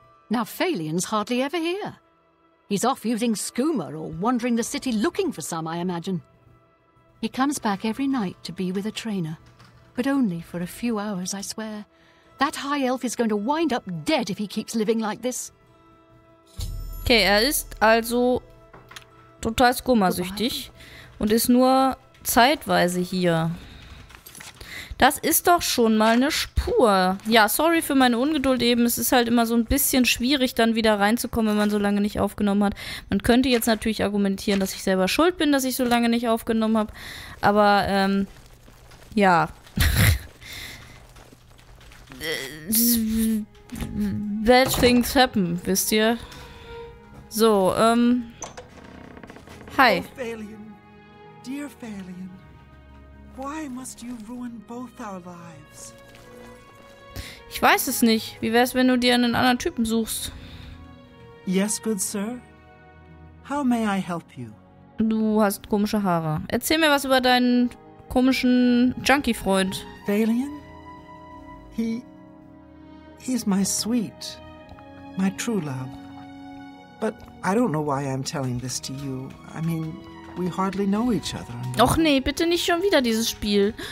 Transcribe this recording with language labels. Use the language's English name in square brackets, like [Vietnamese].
[English] Now, Felion's hardly ever here. He's off using Skoomer or wandering the city looking for some, I imagine. He comes back every night to be with a trainer, but only for a few hours, I swear. That high elf is going to wind up dead if he keeps living like this. [German] Okay, ist also total skoomersüchtig und ist nur zeitweise hier. Das ist doch schon mal eine Spur. Ja, sorry für meine Ungeduld eben. Es ist halt immer so ein bisschen schwierig, dann wieder reinzukommen, wenn man so lange nicht aufgenommen hat. Man könnte jetzt natürlich argumentieren, dass ich selber schuld bin, dass ich so lange nicht aufgenommen habe. Aber, ja. [English] Bad things happen, [German] wisst ihr? [English] So, hi. Oh, Felion. Dear Felion. Why must you ruin both our lives? [German] Ich weiß es nicht. Wie wär's, wenn du dir einen anderen Typen suchst? [English] Yes, good sir. How may I help you? [German] Du hast komische Haare. Erzähl mir was über deinen komischen Junkie-Freund. [English] Felion? He's my sweet. My true love. But I don't know why I'm telling this to you. I mean, we hardly know each other. [German] Och nee, bitte nicht schon wieder dieses Spiel.